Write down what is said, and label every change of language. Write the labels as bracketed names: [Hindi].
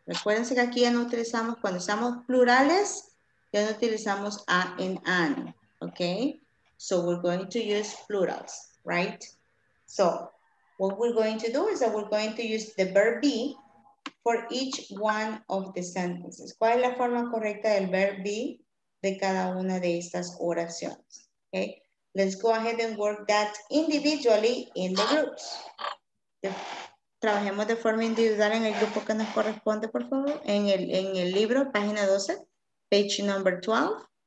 [Spanish] Recuérdense que aquí ya no utilizamos, cuando usamos plurales, ya no utilizamos a and an, okay? [English] So we're going to use plurals, right? So what we're going to do is that we're going to use the verb be for each one of the sentences. [Spanish] ¿Cuál es la forma correcta del verb be de cada una de estas oraciones? [English] Okay, let's go ahead and work that individually in the groups. [Spanish] Trabajemos de forma individual en el grupo que nos corresponde, por favor, en el libro, página 12, [English] page number 12.